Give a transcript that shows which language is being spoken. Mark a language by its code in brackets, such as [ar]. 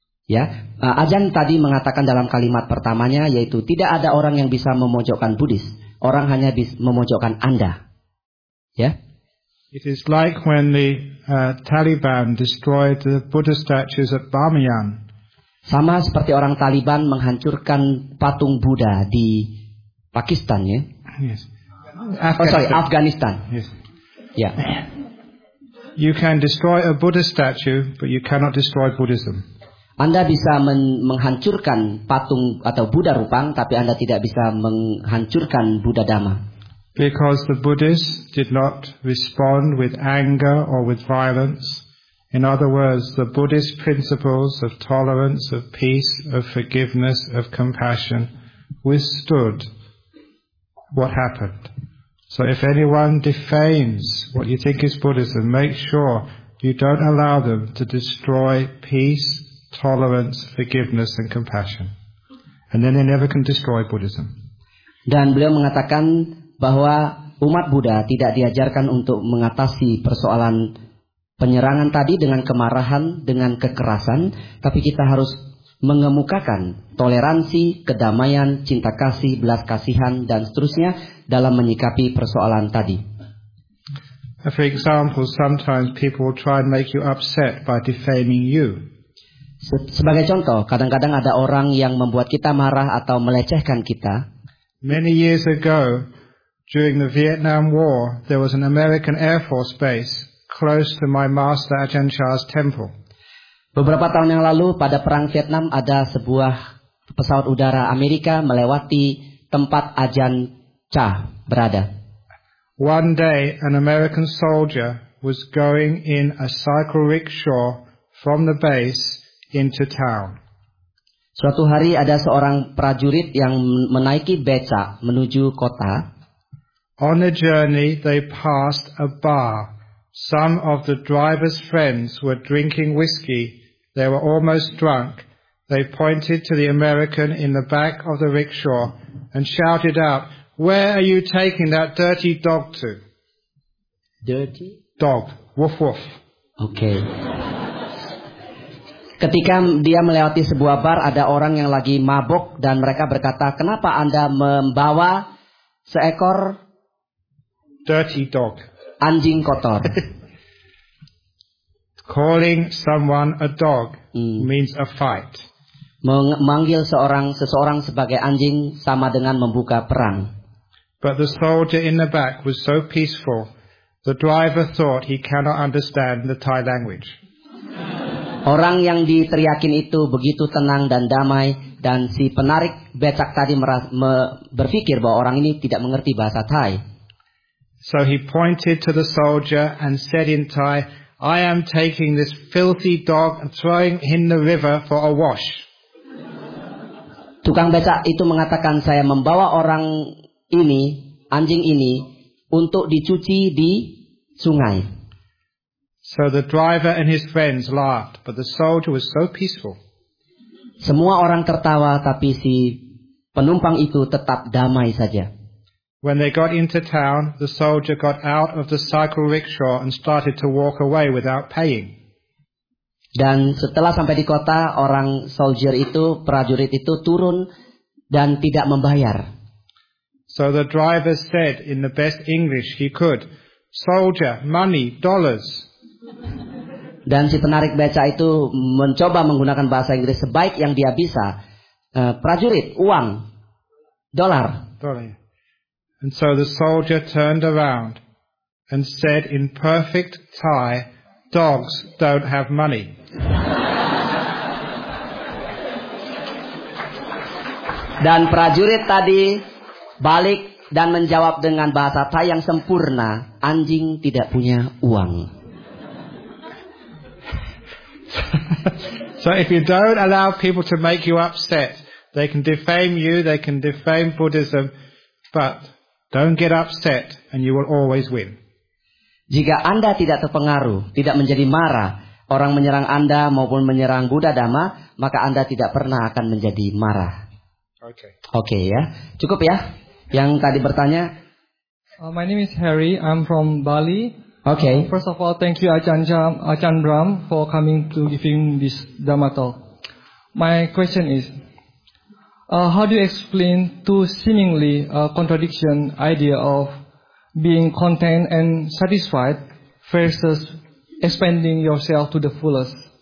[id] Ya, Ajahn tadi mengatakan dalam kalimat pertamanya yaitu tidak ada orang yang bisa memojokkan Buddhis. Orang hanya bisa memojokkan Anda. Ya? [en] It is like when the Taliban destroyed the Buddha statues at Bamiyan. [id] Sama seperti orang Taliban menghancurkan patung Buddha di Pakistan, ya? [en] Yes. Afghanistan. Yes. Yeah. You can destroy a Buddha statue, but you cannot destroy Buddhism. [id] Anda bisa menghancurkan patung atau Buddha rupang, tapi Anda tidak bisa menghancurkan Buddha Dhamma. [en] Because the Buddhists did not respond with anger or with violence. In other words, the Buddhist principles of tolerance, of peace, of forgiveness, of compassion withstood what happened. So if anyone defames what you think is Buddhism, make sure you don't allow them to destroy peace, tolerance, forgiveness, and compassion. And then they never can destroy Buddhism. [id] Dan beliau mengatakan bahwa umat Buddha tidak diajarkan untuk mengatasi persoalan penyerangan tadi dengan kemarahan, dengan kekerasan, tapi kita harus mengemukakan toleransi, kedamaian, cinta kasih, belas kasihan, dan seterusnya dalam menyikapi persoalan tadi. [en] For example, sometimes people try and make you upset by defaming you. [id] Sebagai contoh, kadang-kadang ada orang yang membuat kita marah atau melecehkan kita. [en] Many years ago, during the Vietnam War, there was an American Air Force base close to my master Ajahn Chah's temple. [id] Beberapa tahun yang lalu, pada perang Vietnam, ada sebuah pesawat udara Amerika melewati tempat Ajahn Chah berada. [en] One day, an American soldier was going in a cycle rickshaw from the base into town. [id] Suatu hari ada seorang prajurit yang menaiki becak menuju kota. [en] On the journey, they passed a bar. Some of the driver's friends were drinking whiskey. They were almost drunk. They pointed to the American in the back of the rickshaw and shouted out, "Where are you taking that dirty dog to?" Dirty? Dog. Woof woof. Okay. [id] Ketika dia melewati sebuah bar, ada orang yang lagi mabuk dan mereka berkata, "Kenapa Anda membawa seekor [en] dirty dog?" [id] Anjing kotor. [en] Calling someone a dog means a fight. [id] Memanggil seseorang sebagai anjing sama dengan membuka perang. [en] But the soldier in the back was so peaceful, the driver thought he cannot understand the Thai language. [id] Orang yang diteriakin itu begitu tenang dan damai, dan si penarik becak tadi berpikir bahwa orang ini tidak mengerti bahasa Thai. [en] So he pointed to the soldier and said in Thai, "I am taking this filthy dog and throwing him in the river for a wash." [id] Tukang becak itu mengatakan, "Saya membawa orang ini, anjing ini, untuk dicuci di sungai." [en] So the driver and his friends laughed, but the soldier was so peaceful. [id] Semua orang tertawa, tapi si penumpang itu tetap damai saja. [en] When they got into town, the soldier got out of the cycle rickshaw and started to walk away without paying. [id] Dan setelah sampai di kota, orang soldier itu, prajurit itu turun dan tidak membayar. [en] So the driver said in the best English he could, "Soldier, money, dollars." [id] Dan si penarik becak itu mencoba menggunakan bahasa Inggris sebaik yang dia bisa. Prajurit, uang, dolar. [en] And so the soldier turned around and said in perfect Thai, "Dogs don't have money." [id] Dan prajurit tadi balik dan menjawab dengan bahasa Thai yang sempurna, "Anjing tidak punya uang." [en] So if you don't allow people to make you upset, they can defame you, they can defame Buddhism, but don't get upset and you will always win. [id] Jika Anda tidak terpengaruh, tidak menjadi marah, orang menyerang Anda maupun menyerang Buddha Dhamma, maka Anda tidak pernah akan menjadi marah. [en] Okay, [id] ya. Cukup ya yang tadi bertanya. [en] My name is Harry, I'm from Bali. Okay. First of all, thank you Ajahn Brahm for coming to giving this Dhamma talk. My question is, how do you explain two seemingly contradiction idea of being content and satisfied versus expanding yourself to the fullest?